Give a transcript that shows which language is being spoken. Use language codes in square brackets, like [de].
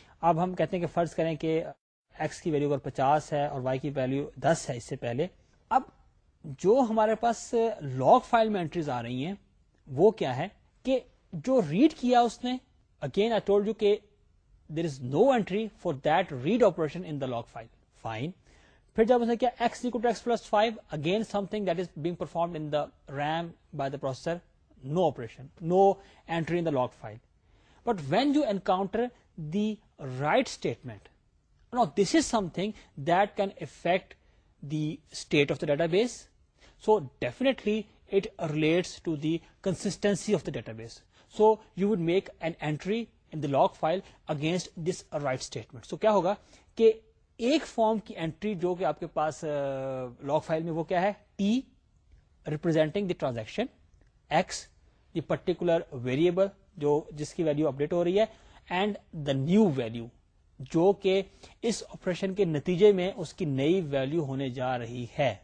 [ur] اب ہم کہتے ہیں کہ فرض کریں کہ ایکس کی ویلیو اگر 50 ہے اور وائی کی ویلیو 10 ہے اس سے پہلے, اب جو ہمارے پاس لاگ فائل میں اینٹریز آ رہی ہیں وہ کیا ہے کہ جو ریڈ کیا اس نے, [en] again I told you کہ there is no entry for that read operation in the log file, [ur] fine. پھر جب اس نے کیا [en] X equal to x plus 5, again something that is being perform in the RAM by the processor, no operation, no entry in the log file. But when you encounter the write statement, now this is something that can affect the state of the database. So definitely it relates to the consistency of the database. So you would make an entry in the log file against this write statement. [ur] So کیا ہوگا کہ ایک form کی entry جو کہ آپ کے پاس log file میں وہ کیا ہے, [en] T representing the transaction, [ur] x the particular variable جو جس کی ویلو اپڈیٹ ہو رہی ہے, [en] and the new value [ur] جو کہ اس آپریشن کے نتیجے میں اس کی نئی ویلو ہونے جا رہی ہے.